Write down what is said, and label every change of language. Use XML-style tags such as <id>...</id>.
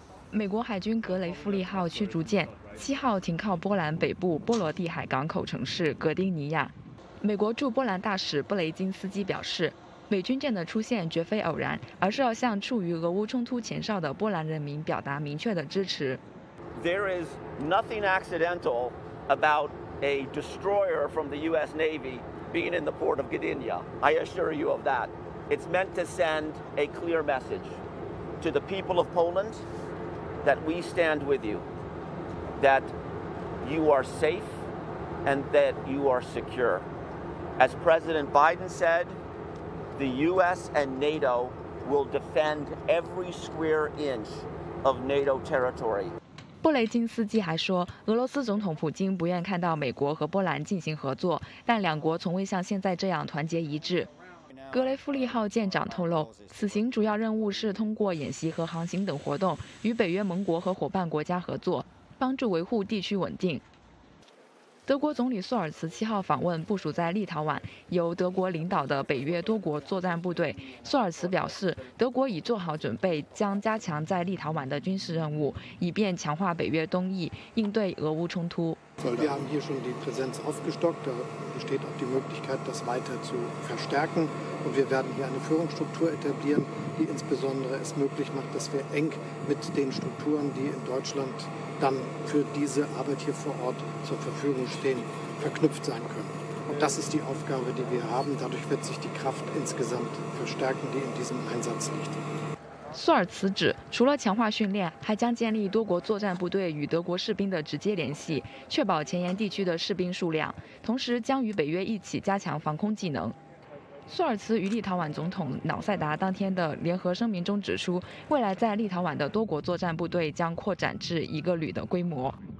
<zh>美国海军格雷夫利号驱逐舰7号停靠波兰北部波罗的海港口城市格丁尼亚。美国驻波兰大使布雷金斯基表示，美军舰的出现绝非偶然，而是要向处于俄乌冲突前哨的波兰人民表达明确的支持。</zh> <en>There is nothing accidental about a destroyer from the U.S. Navy being in the port of Gdynia. I assure you of that. It's meant to send a clear message to the people of Poland. That we stand with you, that you are safe, and that you are secure. As President Biden said, the U.S. and NATO will defend every square inch of NATO territory.</en> <zh>布雷金斯基还说，俄罗斯总统普京不愿看到美国和波兰进行合作，但两国从未像现在这样团结一致。格雷夫利号舰长透露，此行主要任务是通过演习和航行等活动，与北约盟国和伙伴国家合作，帮助维护地区稳定。德国总理苏尔茨七号访问部署在立陶宛由德国领导的北约多国作战部队。苏尔茨表示，德国已做好准备，将加强在立陶宛的军事任务，以便强化北约东翼应对俄乌冲突。</zh> <de>Wir haben hier schon die Präsenz aufgestockt. Da besteht auch die Möglichkeit, das weiter zu verstärken. Und wir werden hier eine Führungsstruktur etablieren, die insbesondere es möglich macht, dass wir eng mit den Strukturen, die in Deutschland dann für diese Arbeit hier vor Ort zur Verfügung stehen, verknüpft sein können. Und das ist die Aufgabe, die wir haben. Dadurch wird sich die Kraft insgesamt verstärken, die in diesem Einsatz liegt.</de> <zh>苏尔茨指，除了强化训练，还将建立多国作战部队与德国士兵的直接联系，确保前沿地区的士兵数量，同时将与北约一起加强防空技能。苏尔茨与立陶宛总统瑙塞达当天的联合声明中指出，未来在立陶宛的多国作战部队将扩展至一个旅的规模。</zh>